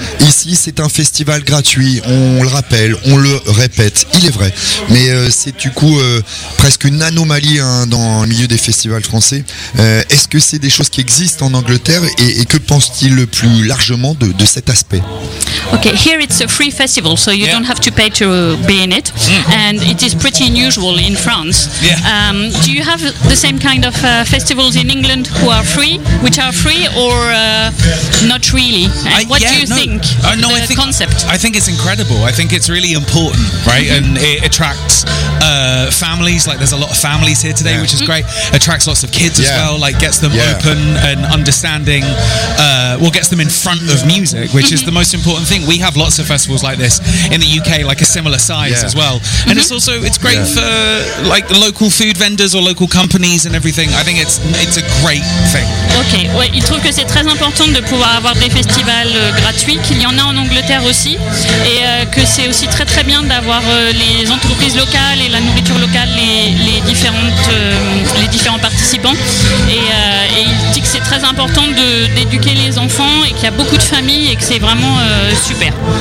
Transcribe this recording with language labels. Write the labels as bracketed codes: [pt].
[fr] Ici c'est un festival gratuit, on le rappelle, on le répète, il est vrai, mais c'est du coup presque une anomalie hein, dans le milieu des festivals français. Est-ce que c'est des choses qui existent en Angleterre et que pense-t-il le plus largement de cet aspect? [en] Okay, here it's a free festival, so you don't have to pay to be in it, and it is pretty unusual in France. Do you have the same kind of festivals in England who are free, which are free or not really? What do you think? I think concept. I think it's incredible. I think it's really important, right? And it attracts families. Like, there's a lot of families here today, which is great. Attracts lots of kids as well. Like, gets them open and understanding. Well, gets them in front of music, which is the most important thing. We have lots of festivals like this in the UK, like a similar size as well. And it's also, it's great for like local food vendors or local companies and everything. I think it's a great thing. Okay. [fr] Well, il trouve que c'est très important de pouvoir avoir des festivals gratuits, qu'il y en a en Angleterre aussi, et que c'est aussi très très bien d'avoir les entreprises locales et la nourriture locale, les différents participants. Et il dit que c'est très important d'éduquer les enfants et qu'il y a beaucoup de familles et que c'est vraiment super.